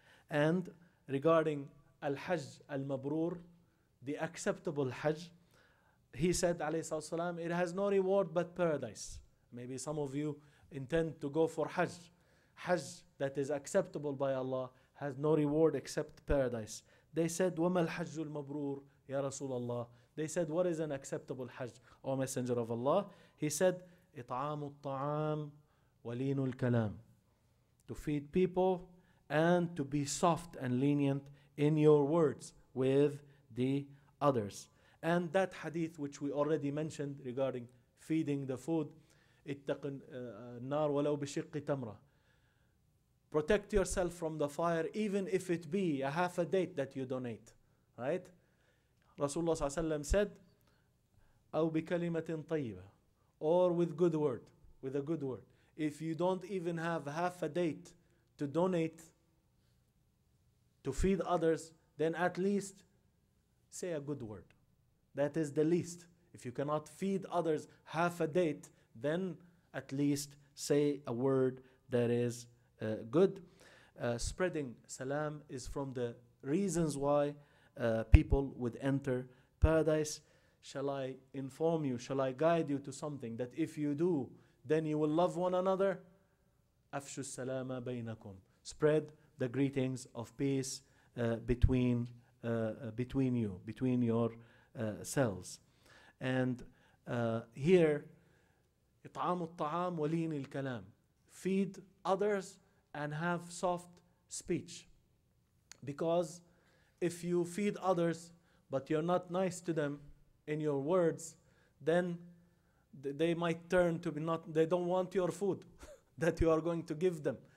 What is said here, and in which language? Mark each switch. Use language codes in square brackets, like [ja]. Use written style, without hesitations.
[en] And regarding al-hajj al-mabrur, the acceptable hajj, he said, alayhi salatu wasalam, it has no reward but paradise. Maybe some of you intend to go for hajj. Hajj that is acceptable by Allah has no reward except paradise. They said, [ar] وَمَا الْحَجُّ الْمَبْرُورِ يَا رَسُولَ اللَّهِ. [en] They said, what is an acceptable hajj, O Messenger of Allah? He said, [ar] إِطْعَامُ الطَّعَامُ وَلِينُ الْكَلَامُ. [en] To feed people and to be soft and lenient in your words with the others. And that hadith which we already mentioned regarding feeding the food, [ar] اتَّقِنْ النَّار وَلَوْ بِشِقِّ تَمْرَةً. [en] Protect yourself from the fire, even if it be a half a date that you donate. Right? Rasulullah said, [ar] أَوْ بِكَلِمَةٍ طَيِّبَةً. [en] Or with good word, with a good word. If you don't even have half a date to donate, to feed others, then at least say a good word. That is the least. If you cannot feed others half a date, then at least say a word that is good. Spreading salam is from the reasons why people would enter paradise. Shall I inform you, shall I guide you to something that if you do, then you will love one another? Afshu salama baynakum. Spread the greetings of peace between you, between your cells. And here, [ar] اطعام الطعام ولين الكلام. [en] Feed others and have soft speech. Because if you feed others, but you're not nice to them in your words, then they might turn to be not, they don't want your food that you are going to give them.